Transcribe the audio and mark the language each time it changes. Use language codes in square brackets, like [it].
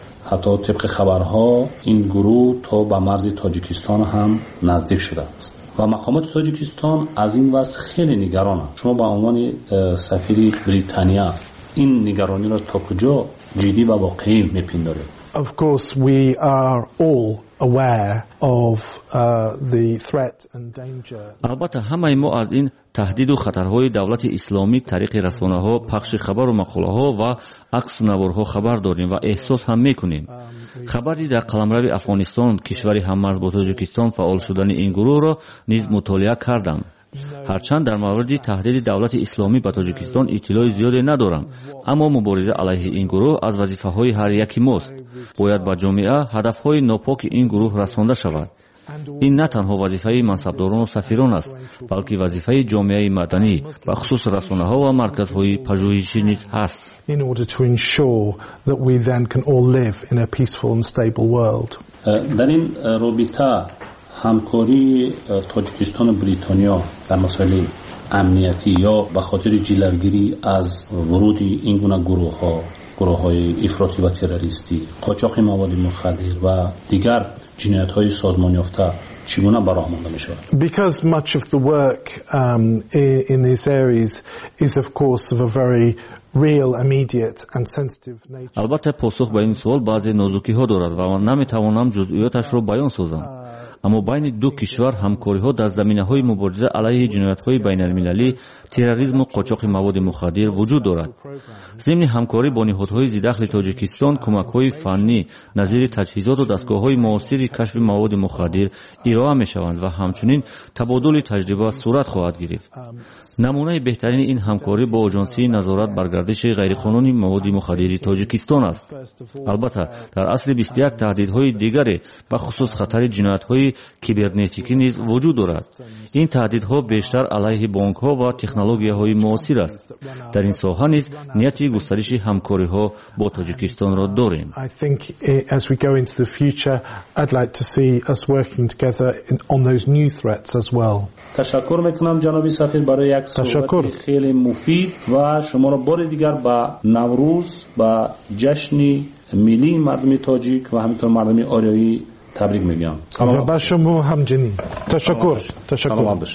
[fa] حتی طبق خبرها این گروه تا به مرز تاجیکستان هم نزدیک شده است و مقامات تاجیکستان از این وضع خیلی نگرانند. شما به عنوان سفیر بریتانیا این نگرانی را تا کجا جدی و واقعی می پندارید؟ [en] Of course we are all aware of the threat and danger. [fa] البته همه ما از این تهدید و خطرهای دولت اسلامی طریق رسانه‌ها، پخش خبر و مقاله‌ها و عکس نوارها خبر داریم و احساس هم می‌کنیم. خبری در قلمرو افغانستان، کشوری هممرز با تاجیکستان، فعال شدن این گروه را نیز مطالعه کردم. هرچند در مورد تهدید دولت اسلامی به تاجیکستان اطلاع زیاده ندارم، اما مبارزه علیه این گروه از وظیفه های هر یکی ماست. باید به جامعه هدف های ناپاک این گروه رسانده شود. این نه تنها وظیفه منصبداران و سفیران است، بلکه وظیفه جامعه مدنی و خصوص رسانه ها و مرکز های پژوهشی نیز هست. [en] In order to ensure that we then can all live in a peaceful and stable world. [fa] در این رابطه همکاری تاجیکستان و بریتانیا در مسائل امنیتی یا به خاطر جلوگیری از ورود این گونه گروه های افراطی و تروریستی، قاچاق مواد مخدر و دیگر جنایت های سازمان یافته چگونه براه مانده می شود؟ [en] Because much of the work in these areas is of course of a very real, immediate and sensitive nature. [fa] البته پاسخ به این سوال بعضی نازکی ها دارد و من نمی توانم جزئیاتش را بیان سازم، اما بین دو کشور همکاری ها در زمینه های مبارزه علیه جنایت های بین المللی، تروریسم و قاچاق مواد مخدر وجود دارد. ضمن همکاری با نهادهای ضدخل تاجیکستان، کمک های فنی نظیر تجهیزات و دستگاه های موثر کشف مواد مخدر ارائه می شوند و همچنین تبادل تجربه صورت خواهد گرفت. نمونه بهترین این همکاری با آژانسی نظارت بر گردش غیرقانونی مواد مخدر تاجیکستان است. البته در اصل 21 تهدیدهای دیگری به خصوص خطر جنایت های کیبرنتیکی نیز وجود دارد. این تهدیدها بیشتر علیه بانک ها و تکنولوژی های معاصر است. در این ساحه نیز نیت گسترش همکاری ها با تاجیکستان را داریم. [en] I think as we go into the future I'd like to see us working together on those new threats as well. [fa] تشکر میکنم جناب سفیر برای یک صحبت خیلی مفید و شما را بار دیگر با نوروز با جشن ملی مردم تاجیک و همینطور مردم آریایی تبریک میگم. سلام به شما همچنین. تشکر.